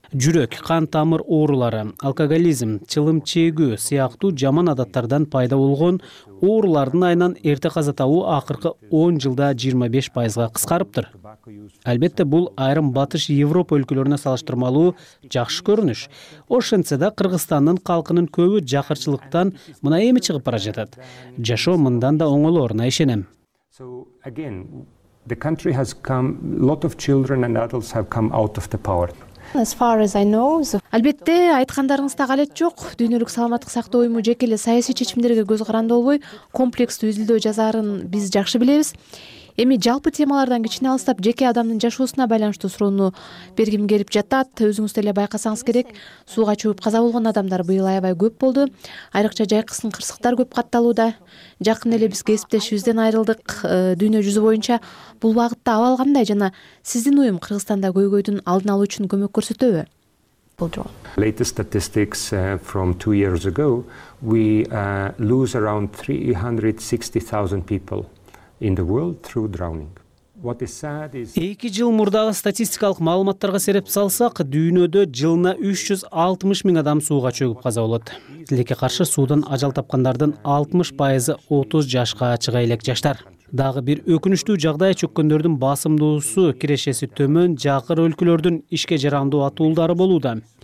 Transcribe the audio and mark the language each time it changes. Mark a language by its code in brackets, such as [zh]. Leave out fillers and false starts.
[ky] Жүрөк, кан тамыр оорулары, алкоголизм, чылым чегүү сыяктуу жаман адаттардан пайда болгон оорулардын айынан эрте каза табуу акыркы 10 жылда 25% кыскарыптыр. Албетте, бул айрым батыш Европа өлкөлөрүнө салыштырмалуу жакшы көрүнүш. Ошентсе да Кыргызстандын калкынын көбү жакырчылыктан мына эми чыгып бара жатат. Жашоо мындан да оңолоруна ишенем. [en] So again, the country has come, lot of children and adults have come out of the poverty. As far as I know, [ky] албетте, айткандарыңыз так алет жок. Дүйнөлүк саламаттык сактоо уюму жеке эле саясий чечимдерге көз каранды болбой, комплекстүү изилдөө жазарын биз жакшы билебиз. Эми жалпы темалардан кичине алыстап, жеке адамдын жашоосуна байланыштуу суроону бергим келип жатат. Өзүңүз деле байкасаңыз керек, сууга чөгүп каза болгон адамдар быйыл аябай көп болду. Айрыкча жайкысын кырсыктар көп катталууда. Жакында эле биз кесиптешибизден айрылдык. Дүйнө жүзү боюнча бул багытта абал кандай жана сиздин уюм Кыргызстанда көйгөйдүн алдын алуу үчүн көмөк көрсөтөбү? [en] Latest statistics from 2 years ago, we lose around 360,000 people. In the world through drowning. What is sad is [ky] 2 жыл мурдагы статистикалык маалыматтарга серип салсак, дүйнөдө жылына 360 000 адам сууга чөгүп каза болот. Тилекке каршы суудан ажал тапкандардын 60% 30 жашка чыга элек жаштар. Дагы бир өкүнүчтүү жагдай чөккөндөрдүн басымдуусу кирешеси төмөн жакыр өлкөлөрдүн ишке жарандуу атуулдары болууда.